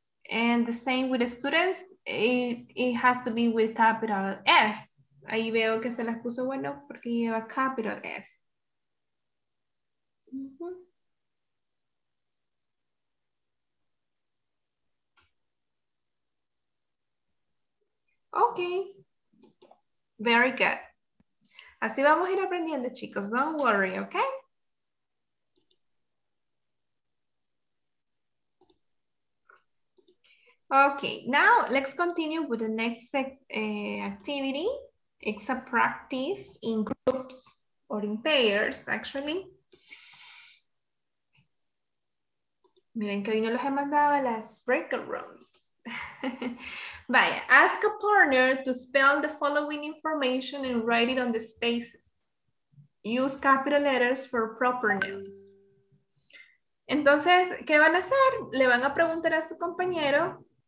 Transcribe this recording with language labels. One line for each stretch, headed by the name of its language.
English: And the same with the students, it has to be with capital S.
Spanish: Ahí veo que se las puso bueno porque lleva capital S. Mm-hmm.
English: Ok. Very good.
Spanish: Así vamos a ir aprendiendo, chicos.
English: Don't worry, ok. Ok, now let's continue with the next activity. It's a practice in groups or in pairs, actually.
Spanish: Miren que hoy no los he mandado a las breakout rooms.
English: Vaya, ask a partner to spell the following information and write it on the spaces. Use capital letters for proper nouns.
Spanish: Entonces, ¿qué van a hacer? Le van a preguntar a su compañero.